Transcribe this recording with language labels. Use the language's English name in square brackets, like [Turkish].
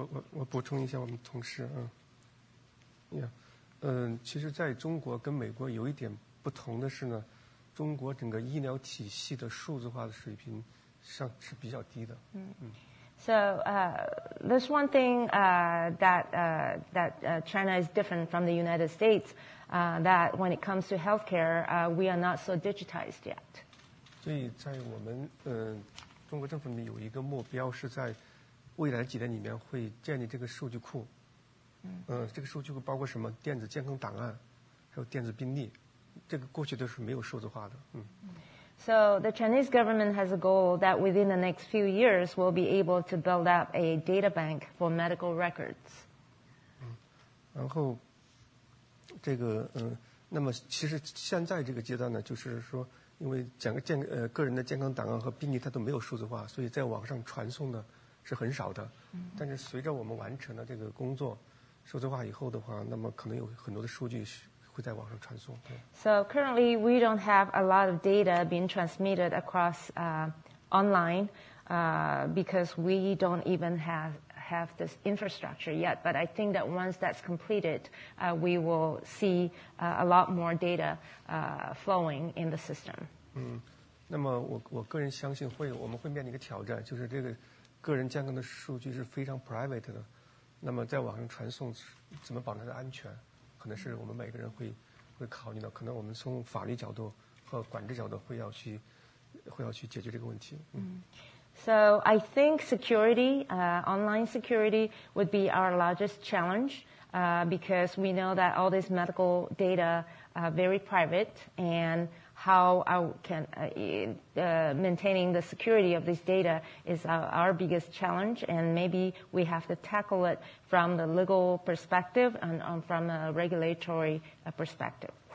[Chinese] 我补充一下我们同事啊，其实在中国跟美国有一点不同的是呢，中国整个医疗体系的数字化的水平上是比较低的。 [English] So there's one thing that China is different from the United States, that when it comes to healthcare, we are not so digitized yet. [Chinese] 所以在我们中国政府里面有一个目标，是在未来几年里面会建立这个数据库。这个数据库包括什么？电子健康档案，还有电子病历，这个过去都是没有数字化的。 [English] So the Chinese government has a goal that within the next few years we'll be able to build up a data bank for medical records. [Chinese] 然后这个那么其实现在这个阶段呢，就是说因为个人的健康档案和病历它都没有数字化，所以在网上传送呢是很少的。但是随着我们完成了这个工作数字化以后的话，那么可能有很多的数据会在网上传送。 [English] So currently we don't have a lot of data being transmitted across online because we don't even have this infrastructure yet. But I think that once that's completed, we will see a lot more data flowing in the system. [Chinese] 那么我个人相信我们会面临一个挑战，就是这个个人健康的数据是非常 private 的，那么在网上传送怎么保证它的安全，可能是我们每个人会考虑的，可能我们从法律角度和管制角度会要去解决这个问题。 [English] So I think security, online security would be our largest challenge, because we know that all this medical data are very private, and how maintaining the security of this data is our biggest challenge, and maybe we have to tackle it from the legal perspective and from a regulatory perspective.